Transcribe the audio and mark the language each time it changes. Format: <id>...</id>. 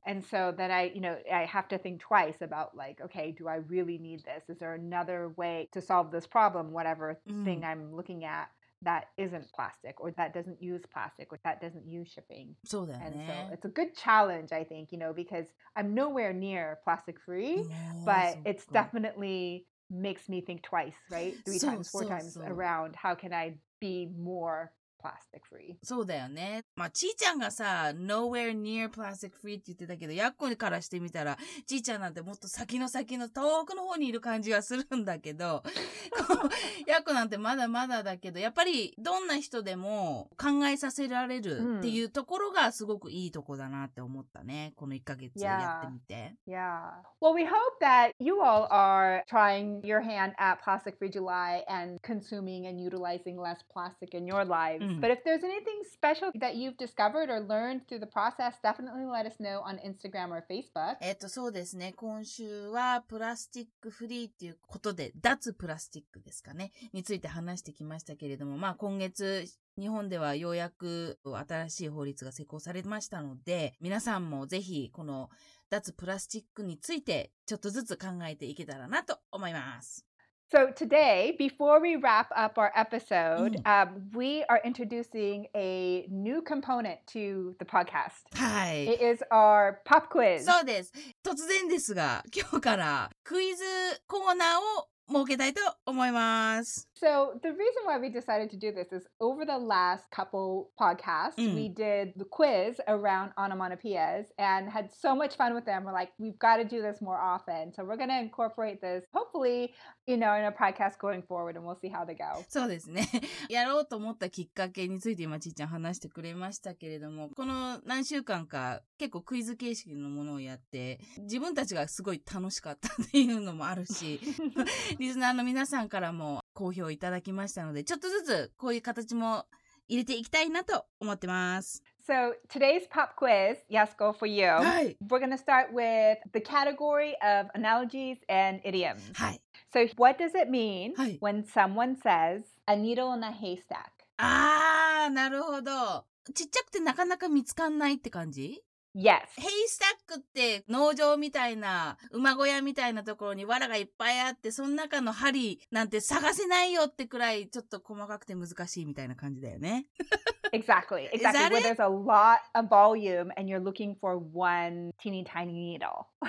<en>And so then I you know I have to think twice about like okay do I really need this is there another way to solve this problem whatever thing I'm looking atThat isn't plastic, or that doesn't use plastic, or that doesn't use shipping.</en> <ja>そうだね。</ja> <en>And so it's a good challenge, I think, you know, because I'm nowhere near plastic free, but it's definitely makes me think twice, right? Three times, four times around, how can I be more... plastic free.</en> <ja>そうだよね。まあ、ちーちゃんがさ、</ja> <en>nowhere near plastic free</en> <ja>って言ってたけど、やっこからしてみたら、ちーちゃんなんてもっと先の先の遠くの方にいる感じがするんだけど、やっこなんてまだまだだけど、やっぱりどんな人でも考えさせられるっていうところがすごくいいとこだなって思ったね。この1ヶ月やってみて。</ja> <en>Yeah. Well, we hope that you all are trying your hand at plastic free July and consuming and utilizing less plastic in your lifeBut if there's anything special that you've discovered or learned through the process, definitely let us know on Instagram or Facebook.</en> <ja>そうですね。今週はプラスチックフリーということで、脱プラスチックですかね、について話してきましたけれども、まあ今月、日本ではようやく新しい法律が施行されましたので、皆さんもぜひこの脱プラスチックについてちょっとずつ考えていけたらなと思います。</ja> <en>So today, before we wrap up our episode, we are introducing a new component to the podcast.</en> <ja>はい。</ja> <en>It is our pop quiz.</en> <ja>そうです。突然ですが、今日からクイズコーナーを設けたいと思います。</ja> <en>So the reason why we decided to do this is over the last couple podcasts,we did the quiz around onomatopoeias and had so much fun with them. We're like, we've got to do this more often. So we're going to incorporate this, hopefully, you know, in a podcast going forward and we'll see how they go.</en> <ja>そうですね。やろうと思ったきっかけについて今ちーちゃん話してくれましたけれども、この何週間か結構クイズ形式のものをやって、自分たちがすごい楽しかったっていうのもあるし、リスナーの皆さんからも好評いただきましたので、ちょっとずつこういう形も入れていきたいなと思ってます。</ja> <en>So today's pop quiz, Yasuko, for you.</en> <ja>はい。</ja> <en>We're going to start with the category of analogies and idioms.</en> <ja>はい。</ja> <en>So what does it mean when someone says a needle in a haystack?</en> <ja>ああ、なるほど。ちっちゃくてなかなか見つかんないって感じ？</ja> <en>Yes.</en> <ja>ヘイスタックって農場みたいな馬小屋みたいなところに藁がいっぱいあってその中の針なんて探せないよってくらいちょっと細かくて難しいみたいな感じだよね。</ja> <en>Exactly. Exactly. Where there's a lot of volume and you're looking for one teeny tiny needle.</en>